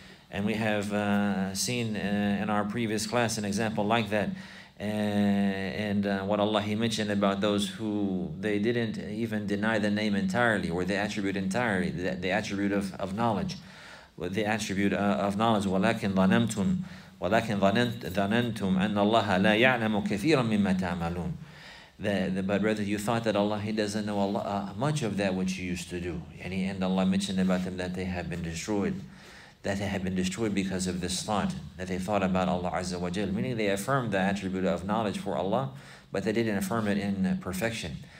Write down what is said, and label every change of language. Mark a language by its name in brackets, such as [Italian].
[English] And we have seen in our previous class an example like that. And what Allah, he mentioned about those who they didn't even deny the name entirely, or the attribute entirely, the attribute of knowledge, the attribute of knowledge. [Arabic] ولكن ظننتم أن الله لا يعلم كثيرا مما تعملون. [English] But rather you thought that Allah, he doesn't know Allah, much of that which you used to do. And Allah mentioned about them that they have been destroyed. That they had been destroyed because of this thought, that they thought about Allah Azza wa Jal. Meaning they affirmed the attribute of knowledge for Allah, but they didn't affirm it in perfection.